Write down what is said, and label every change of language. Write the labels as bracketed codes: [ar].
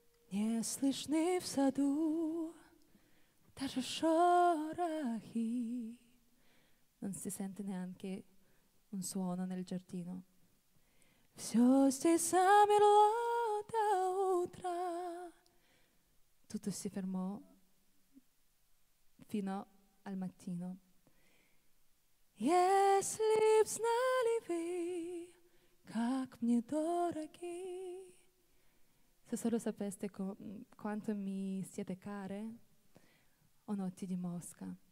[ru] Не слышны в саду даже шорохи. [it] Non si sente neanche un suono nel giardino. [ru] Все здесь замерло до утра. [it] Tutto si fermò fino al mattino. [ru] Если б знали вы, как мне дороги. [it] Se solo sapeste quanto mi siete care, o notti di Mosca.